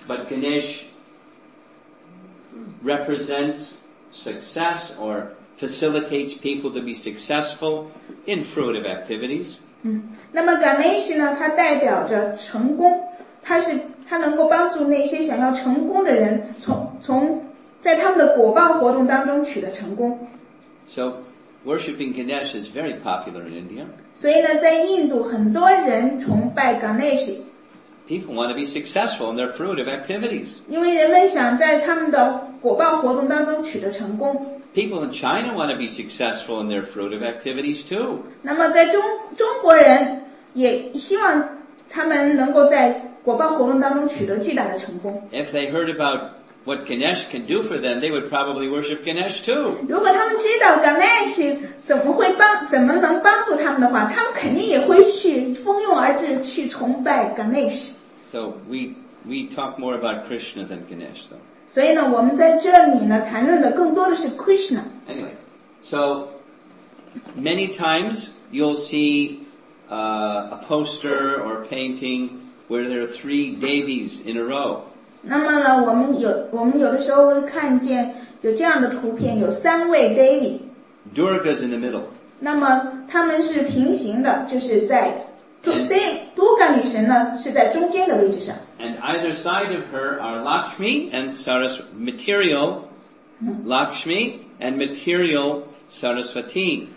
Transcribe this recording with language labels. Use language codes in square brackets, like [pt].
[en] But Ganesh represents success or facilitates people to be successful in fruitive activities. [zh] 嗯，那么 Ganesh 呢，它代表着成功，它是它能够帮助那些想要成功的人从在他们的果报活动当中取得成功。 [en] So. Worshipping Ganesh is very popular in India. [zh] 所以呢，在印度很多人崇拜 Ganesh. [en] People want to be successful in their fruitive activities. [zh] 因为人们想在他们的果报活动当中取得成功。 [en] People in China want to be successful in their fruitive activities too. [zh] 那么在中国人也希望他们能够在果报活动当中取得巨大的成功。 [en] If they heard aboutWhat Ganesh can do for them, they would probably worship Ganesh too. [zh] 如果他们知道 Ganesh 怎么能帮助他们的话，他们肯定也会去蜂拥而至去崇拜 Ganesh. [en] So we talk more about Krishna than Ganesh, though. [zh] 所以呢，我们在这里呢谈论的更多的是 Krishna. [en] Anyway, so many times you'll see a poster or painting where there are three devis in a row. [zh] 那么呢，我们有的时候会看见有这样的图片，有三位 Devi。 [en] Durga's in the middle。 [zh] 那么他们是平行的，就是在 Durga 女神呢是在中间的位置上。 [en] And either side of her are Lakshmi and Saraswati, material Lakshmi and material Saraswati。